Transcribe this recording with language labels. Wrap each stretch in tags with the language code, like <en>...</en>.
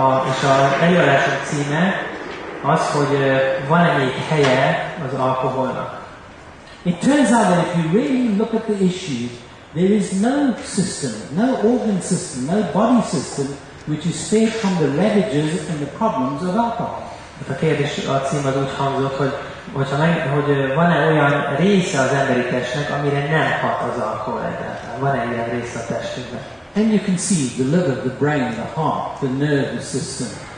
<hu>És az előadások címe az, hogy van-e még helye az alkoholnak.</hu> <en>It turns out that if you really look at the issue, there is no system, no organ system, no body system which is spared from the ravages and the problems of alcohol.</en> <hu>A kérdés a címe az úgy hangzott, hogy van-e olyan része az emberi testnek, amire nem hat az alkohol egyáltalán. Van-e ilyen része a testünknek?</hu> <en>And you can see the liver, the brain, the heart, the nervous system,</en>